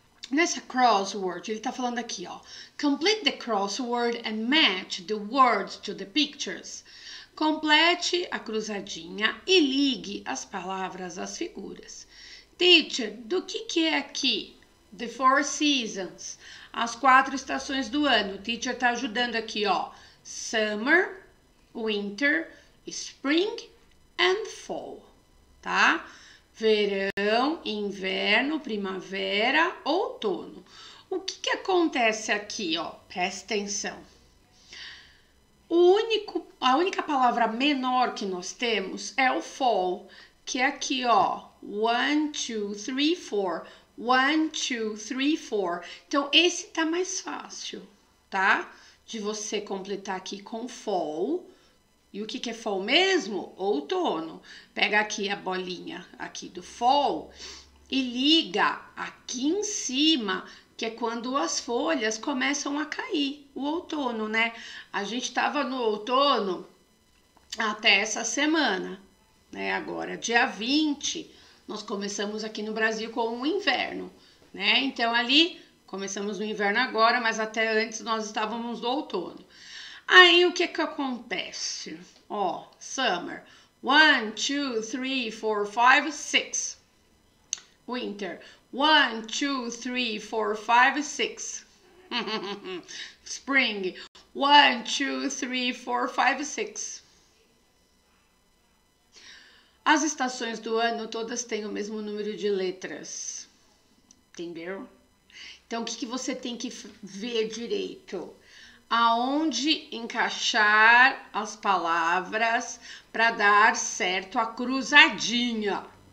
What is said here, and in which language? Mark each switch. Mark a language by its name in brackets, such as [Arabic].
[Portuguese] Nessa crossword, ele tá falando aqui, ó. [English] Complete the crossword and match the words to the pictures. [Portuguese] Complete a cruzadinha e ligue as palavras às figuras. Teacher, do que é aqui? [English] The four seasons. [Portuguese] As quatro estações do ano. Teacher tá ajudando aqui, ó. [English] Summer, winter, spring and fall. [Portuguese] Tá? Verão, inverno, primavera, outono. O que acontece aqui, ó? Presta atenção. A única palavra menor que nós temos é o fall, que é aqui, ó. [English] One, two, three, four. One, two, three, four. [Portuguese] Então, esse tá mais fácil, tá? De você completar aqui com fall. E o que que é fall mesmo? Outono. Pega aqui a bolinha aqui do fall e liga aqui em cima, que é quando as folhas começam a cair. O outono, né? A gente tava no outono até essa semana, né? Agora, dia 20... Nós começamos aqui no Brasil com o inverno, né? Então, ali, começamos o inverno agora, mas até antes nós estávamos no outono. Aí, o que que acontece? Ó, summer. [English] One, two, three, four, five, six. Winter. One, two, three, four, five, six. Spring. One, two, three, four, five, six. [Portuguese] As estações do ano todas têm o mesmo número de letras. Entendeu? Então, o que você tem que ver direito? Aonde encaixar as palavras para dar certo a cruzadinha?